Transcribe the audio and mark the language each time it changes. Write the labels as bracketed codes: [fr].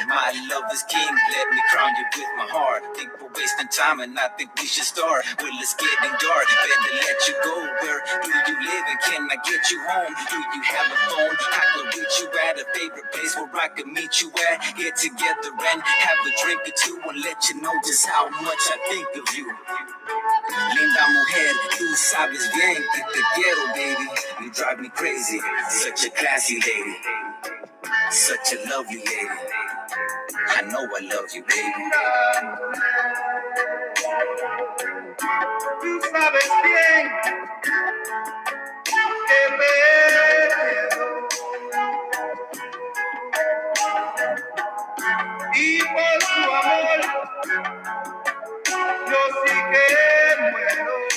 [en] My love is king, let me crown you with my heart. Think we're wasting time and I think we should start. Well, it's getting dark, better let you go. Where do you live and can I get you home? Do you have a phone? I can reach you at a favorite place where I can meet you at. Get together and have a drink or two and let you know just how much I think of you. [es] Linda mujer, tú sabes bien que te quiero, baby. [en] You drive me crazy, such a classy lady, such a lovely lady. I know I love you, baby. [es] Linda, tú sabes bien que me quiero. Y por tu amor yo sí que